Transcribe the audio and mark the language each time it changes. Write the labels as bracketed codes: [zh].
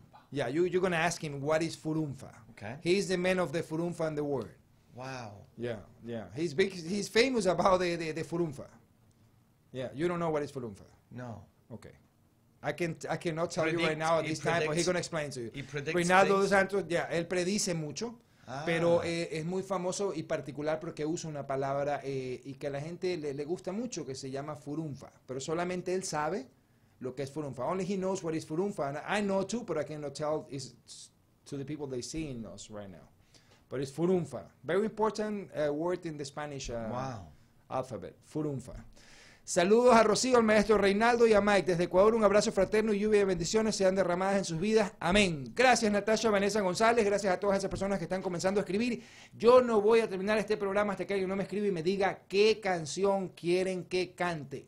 [en] Yeah, you're going to ask him, what is furunfa? Okay. He's the man of the furunfa in the world. Wow. Yeah, yeah. He's big. He's famous about the furunfa. Yeah, you don't know what is furunfa? No. Okay. I cannot tell you right now at this time, but he's going to explain to you. He predicts [es] Reynaldo Dos Santos, yeah, él predice mucho, pero es muy famoso y particular porque usa una palabra y que a la gente le gusta mucho, que se llama furunfa, pero solamente él sabe lo que es furunfa. [en] Only he knows what is furunfa, and I know too, but I cannot tell is to the people they see in us right now. But it's furunfa, very important word in the Spanish alphabet. Furunfa. [es] Saludos a Rocío, al maestro Reinaldo y a Mike desde Ecuador. Un abrazo fraterno y lluvia de bendiciones sean derramadas en sus vidas. Amén. Gracias Natasha, Vanessa González, gracias a todas esas personas que están comenzando a escribir. Yo no voy a terminar este programa hasta que alguien no me escribe y me diga qué canción quieren que cante.